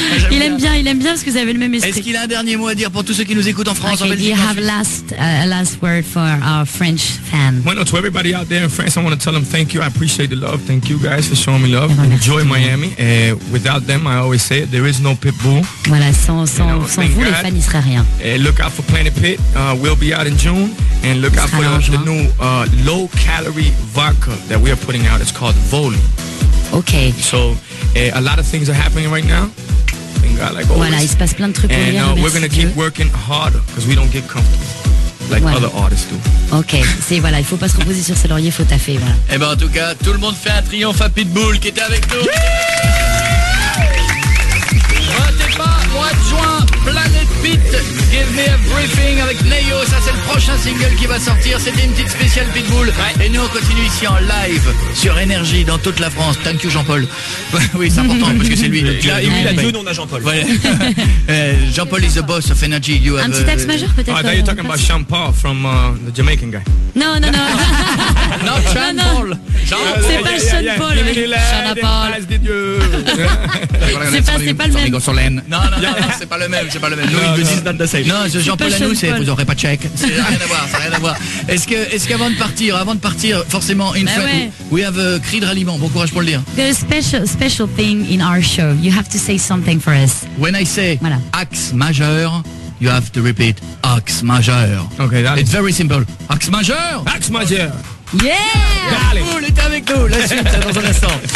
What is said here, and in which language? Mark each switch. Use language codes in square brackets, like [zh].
[fr] Il aime bien parce que vous avez le même esprit. Est-ce qu'il a un dernier mot à dire pour tous ceux qui nous écoutent en France, [en] okay, Do you have last word for our French fan? Well, no, to everybody out there in France, I want to tell them thank you. I appreciate the love. Thank you guys for showing me love. Enjoy Miami. Without them, I always say it, there is no Pitbull. [fr] Voilà, sans vous, les fans, il serait rien. [en] Look out for Planet Pit. We'll be out in June. And look out for the new low-calorie vodka that we are putting out. It's called Voli. Okay. So, a lot of things are happening right now. Thank God, like always. [fr] Voilà, il se passe plein de trucs. [en] And we're going to keep working harder because we don't get comfortable. Like voilà. Other artists do. [fr] Ok, c'est voilà, il faut pas se reposer sur ses lauriers, faut taffer. Voilà. Et ben en tout cas, tout le monde fait un triomphe à Pitbull qui était avec nous. Ratez pas, mois de juin, Planet Pit, Give Me a Briefing avec Neyo, ça c'est le prochain single qui va sortir. C'était une petite spéciale Pitbull. Ouais. Et nous on continue ici en live sur Énergie dans toute la France. [en] Thank you [fr] Jean-Paul. Oui, c'est important parce que c'est lui. Et oui, il a deux noms à Jean-Paul. [en] Voilà. Jean-Paul is the boss of Energy. You have [fr] un petit axe majeur peut-être. [en] I thought you're talking about Sean Paul from the Jamaican guy. [fr] Non. [en] Not Sean Paul. [fr] C'est pas le même. Non, c'est pas le même. Non, ce Jean-Paul Anou, vous n'aurez pas de chèque. Ça n'a rien à voir. Est-ce qu'avant de partir, forcément, une fois, [en] we have a [fr] cri de ralliement. Bon courage pour le dire. [en] The special thing in our show, you have to say something for us. When I say axe majeur, you have to repeat axe majeur. Okay, that's it. It's very simple. Axe majeur. Axe majeur. Yeah. [fr] Cool, est avec nous. La suite, dans un instant.